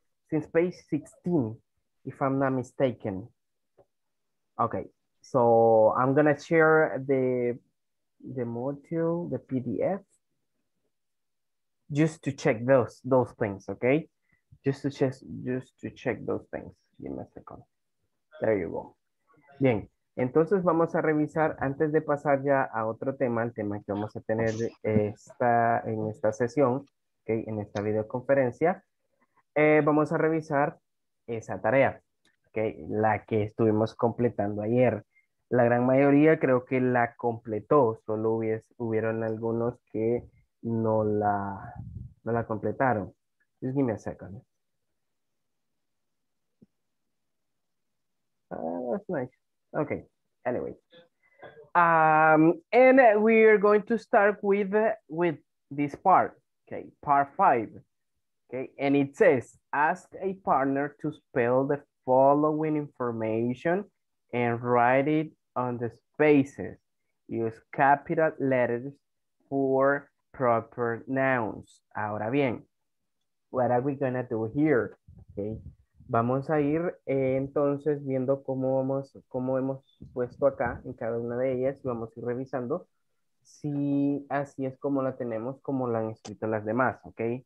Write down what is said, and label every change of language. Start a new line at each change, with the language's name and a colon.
English: Since page 16, if I'm not mistaken. Okay, so I'm gonna share the module, the PDF, just to check those things, okay? Just to check those things. Give me a second. There you go.
Spanish: Bien, entonces vamos a revisar antes de pasar ya a otro tema, el tema que vamos a tener en esta sesión, okay, en esta videoconferencia. Vamos a revisar esa tarea, okay, la que estuvimos completando ayer. La gran mayoría creo que la completó, solo hubieron algunos que no la completaron.
English: Just give me a second. That's nice. Okay, anyway. And we are going to start with this part, okay, part five. Okay, and it says, ask a partner to spell the following information and write it on the spaces. Use capital letters for proper nouns.
Spanish: Ahora bien,
English: what are we going to do here?
Spanish: Okay, vamos a ir entonces viendo cómo hemos puesto acá en cada una de ellas. Vamos a ir revisando. Si así es como la tenemos, como la han escrito las demás, ¿ok?